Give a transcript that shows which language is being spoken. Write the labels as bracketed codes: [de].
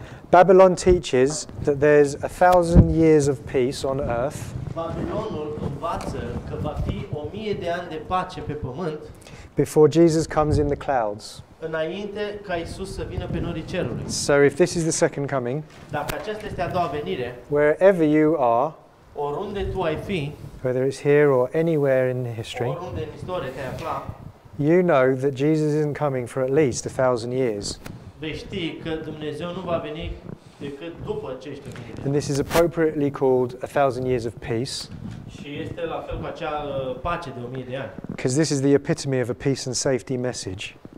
[en] Babylon teaches that there's 1,000 years of peace on earth. [ro] Babilonul învață că va fi 1000 de ani de pace pe pământ. [en] Before Jesus comes in the clouds. [ro] Înainte ca Isus să vină pe norii cerului. [en] So if this is the second coming. [ro] Dacă aceasta este a doua venire. [en] Wherever you are. [ro] Oriunde tu ai fi. [en] Whether it's here or anywhere in history. [ro] Oriunde în istorie te afla. [en] You know that Jesus isn't coming for at least 1,000 years. [ro] Vei ști că Dumnezeu nu va veni decât după acești 1000 de ani. [en] And this is appropriately called 1,000 years of peace. [ro] Și este la fel cu acea pace de 1000 de ani. [en] Because this is the epitome of a peace and safety message.